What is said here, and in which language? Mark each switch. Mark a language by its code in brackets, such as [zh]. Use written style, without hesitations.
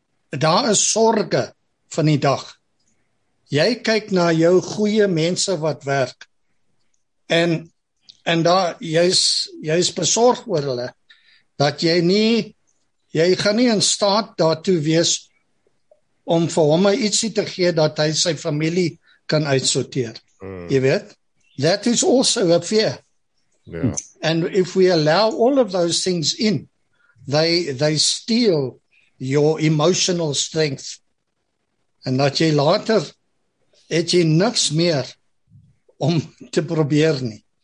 [af] Daar is sorge van die dag. Jy kyk na jou goeie mense wat werk, en daar, jy is besorg oor hulle, dat jy gaan nie in staat daartoe wees om vir hom ietsie te gee dat hy sy familie kan uitsorteer. Mm. Jy weet, [en] that is also a fear. Yeah. And if we allow all of those things in, they steal your emotional strength. [af] En dat jy later, het jy niks meer om te probeer nie.